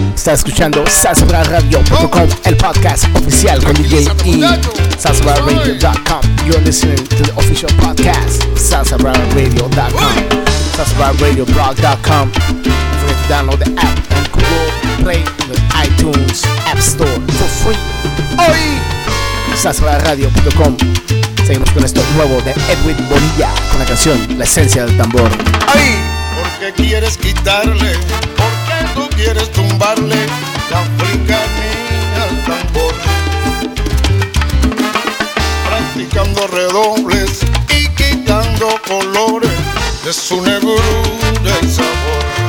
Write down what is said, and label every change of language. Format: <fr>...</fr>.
<es>Escuchando SazBraRadio.com, el podcast oficial con DJ E. SazBraRadio.com.</es> <en>You're listening to the official podcast SazBraRadio.com. SazBraRadioBlog.com. Don't forget to download the app on Google Play and the iTunes App Store for free.</en> <es>Hoy SazBraRadio.com. Seguimos con esto nuevo de Edwin Bonilla con la canción La Esencia del Tambor. Hoy, ¿por qué quieres quitarle? Quieres tumbarle la africanía al tambor, practicando redobles y quitando colores de su negro del sabor.</es>